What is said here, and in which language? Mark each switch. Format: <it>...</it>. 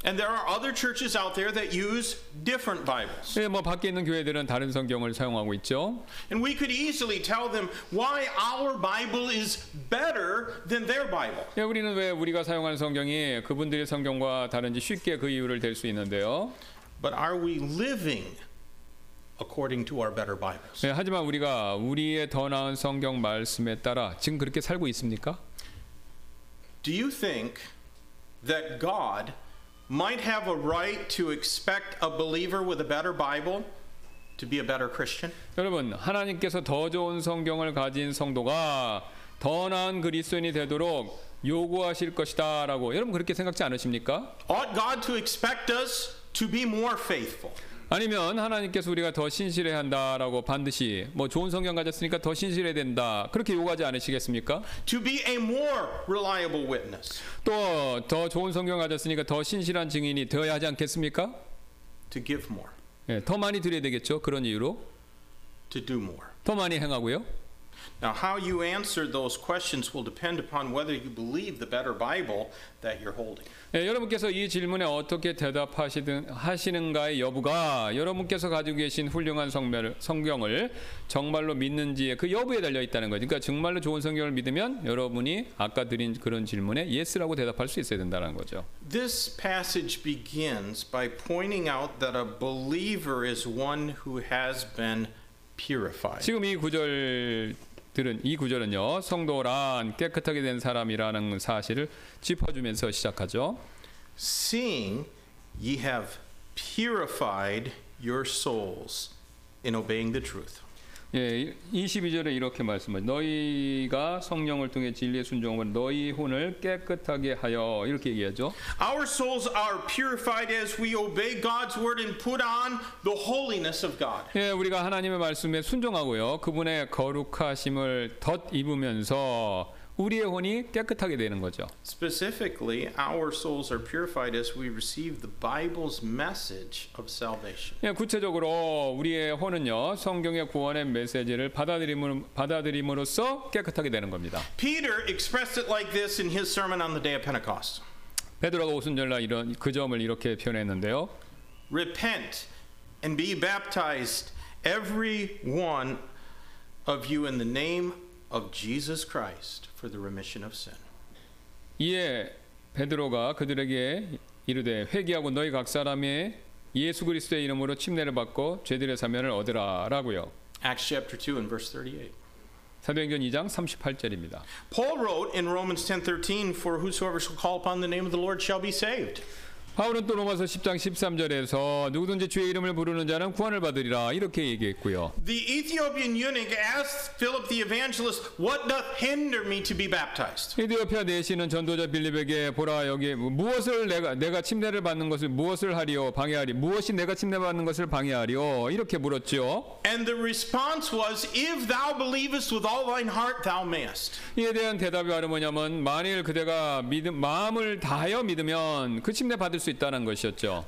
<en>And there are other churches out there that use different Bibles.</en> <ko>예, 뭐 밖에 있는 교회들은 다른 성경을 사용하고 있죠.</ko> <en>And we could easily tell them why our Bible is better than their Bible.</en> <ko>예, 우리는 왜 우리가 사용하는 성경이 그분들의 성경과 다른지 쉽게 그 이유를 댈 수 있는데요.</ko> <en>But are we living according to our better Bibles.</en> <ko>네, 하지만 우리가 우리의 더 나은 성경 말씀에 따라 지금 그렇게 살고 있습니까?</ko> <en>Do you think that God might have a right to expect a believer with a better Bible to be a better Christian?</en> <ko>여러분, 하나님께서 더 좋은 성경을 가진 성도가 더 나은 그리스도인이 되도록 요구하실 것이다라고 여러분 그렇게 생각지 않으십니까?</ko> <en>Ought God to expect us to be more faithful?</en> <ko>아니면 하나님께서 우리가 더 신실해야 한다라고 반드시 뭐 좋은 성경 가졌으니까 더 신실해야 된다 그렇게 요구하지 않으시겠습니까?</ko> <en>To be a more reliable witness.</en> <ko>또 더 좋은 성경 가졌으니까 더 신실한 증인이 되어야 하지 않겠습니까?</ko> <en>To give more.</en> <ko>예, 더 많이 드려야 되겠죠. 그런 이유로.</ko> <en>To do more.</en> <ko>더 많이 행하고요.</ko> <en>Now, how you answer those questions will depend upon whether you believe the better Bible that you're holding.</en> <ko>예, 여러분께서 이 질문에 어떻게 대답하시든 하시는가의 여부가 여러분께서 가지고 계신 훌륭한 성경을 정말로 믿는지의 그 여부에 달려 있다는 거죠. 그러니까 정말로 좋은 성경을 믿으면 여러분이 아까 드린 그런 질문에 예스라고 대답할 수 있어야 된다는 거죠.</ko> <en>This passage begins by pointing out that a believer is one who has been purified.</en> <ko>지금 이 구절들은 이 구절은요 성도란 깨끗하게 된 사람이라는 사실을 짚어주면서 시작하죠.</ko> <en>Seeing ye have purified your souls in obeying the truth.</en> <ko>예, 22절에 이렇게 말씀하죠. 너희가 성령을 통해 진리의 순종으로 너희 혼을 깨끗하게 하여 이렇게 얘기하죠.</ko> <en>Our souls are purified as we obey God's word and put on the holiness of God.</en> <ko>예, 우리가 하나님의 말씀에 순종하고요. 그분의 거룩하심을 덧입으면서 우리의 혼이 깨끗하게 되는 거죠.</ko> <en>Specifically, our souls are purified as we receive the Bible's message of salvation.</en> <ko>예, 구체적으로 우리의 혼은요, 성경의 구원의 메시지를 받아들임으로써 깨끗하게 되는 겁니다.</ko> <en>Peter expressed it like this in his sermon on the day of Pentecost.</en> <ko>베드로가 오순절날 이런 그 점을 이렇게 표현했는데요.</ko> <en>Repent and be baptized every one of you in the name of Jesus Christ. For the remission of sin.</en> <ko>이에 베드로가 그들에게 이르되 회개하고 너희 각 사람의 예수 그리스도의 이름으로 침례를 받고 죄들의 사면을 얻으라라고요.</ko> <en>Acts chapter 2 and verse 38.</en> <ko>사도행전 2장 38절입니다.</ko> <en>Paul wrote in Romans 10:13, "For whosoever shall call upon the name of the Lord shall be saved."</en> <ko>바울은 또 로마서 10장 13절에서 누구든지 주의 이름을 부르는 자는 구원을 받으리라 이렇게 얘기했고요.</ko> <en>The Ethiopian eunuch asked Philip the evangelist, "What doth hinder me to be baptized?"</en> <ko>에티오피아 내시는 전도자 빌립에게 보라 여기 무엇을 내가 침례를 받는 것을 무엇을 하리오 방해하리 무엇이 내가 침례 받는 것을 방해하리오 이렇게 물었지요.</ko> <en>And the response was, "If thou believest with all thine heart, thou mayest."</en> <ko>이에 대한 대답이 바로 뭐냐면 만일 그대가 마음을 다하여 믿으면 그 침례 받을 수 있다는 것이었죠.</ko>